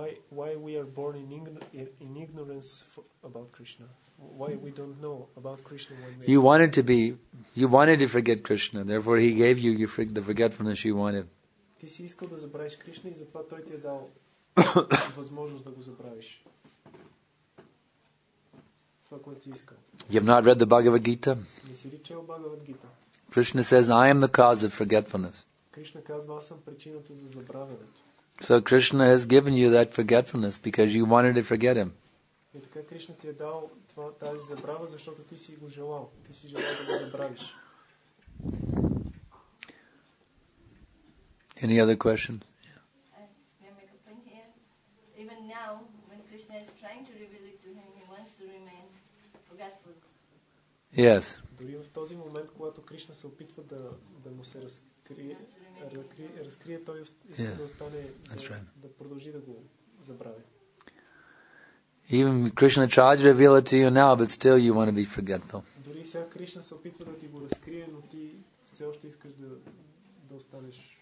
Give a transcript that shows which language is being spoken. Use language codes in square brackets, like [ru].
[en] Why we are born in ignorance about Krishna? Why we don't know about Krishna? You wanted to forget Krishna, therefore he gave you the forgetfulness you wanted. [bg] Ти си искал да забравиш Кришна и затова той ти е дал възможност да го забравиш. Това което си искал. [en] You have not read the Bhagavad Gita? [bg] Не си ли чел Bhagavad Gita? [en] Krishna says, I am the cause of forgetfulness. [bg] Кришна казва, аз съм причината за забравянето. [en] So Krishna has given you that forgetfulness because you wanted to forget him. [bg] И така Кришна ти е дал тази забрава, защото ти си го желал. Ти си желал да го забравиш. [en] Any other questions? Yeah. May I make a point here? Even now, when Krishna is trying to reveal it to him, he wants to remain forgetful. Yes. [bg] Дори в този момент, когато Кришна се опитва да му се разкрие, той иска да остане, да продължи да го забрави. [en] Even Krishna tries to reveal it to you now, but still you want to be forgetful. [bg] Дори сега Кришна се опитва да ти го разкрие, но ти все още искаш да останеш.